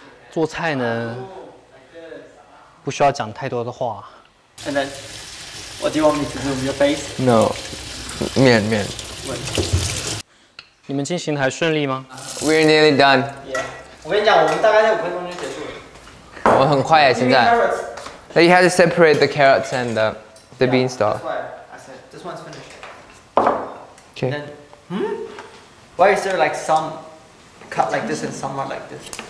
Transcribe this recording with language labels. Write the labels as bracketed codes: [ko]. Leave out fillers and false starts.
[zh] 做菜呢，不需要讲太多的话。 [en] And then, what do you want me to zoom your face? [zh] No. 面面。你们进行的还顺利吗 [en] ？We're nearly done. Yeah. [zh] 我跟你讲，我们大概在五分钟就结束了。我很快耶，现在。 [en] So you had to separate the carrots and the beanstalk. That's why I said this one's finished. Okay. Then, why is there like some cut like this and some are like this?